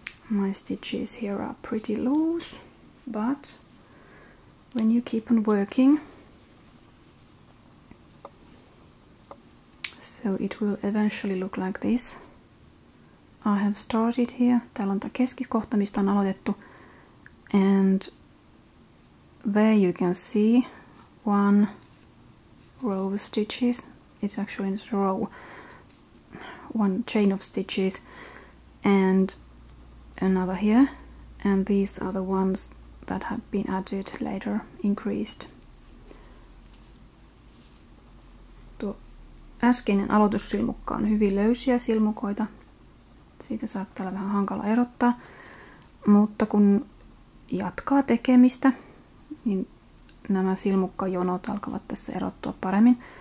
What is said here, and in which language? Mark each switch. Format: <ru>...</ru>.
<en>My stitches here are pretty loose, but when you keep on working, so it will eventually look like this. I have started here.</en> <fi>Täällä on tämä keskikohta, mistä on aloitettu.</fi> <en>And there you can see one row of stitches. It's actually not a row, one chain of stitches, and another here, and these are the ones that have been added later, increased.</en> <fi>Tuo äskeinen aloitussilmukka on hyvin löysiä silmukoita. Siitä saattaa olla vähän hankala erottaa, mutta kun jatkaa tekemistä, niin nämä silmukkajonot alkavat tässä erottua paremmin.</fi>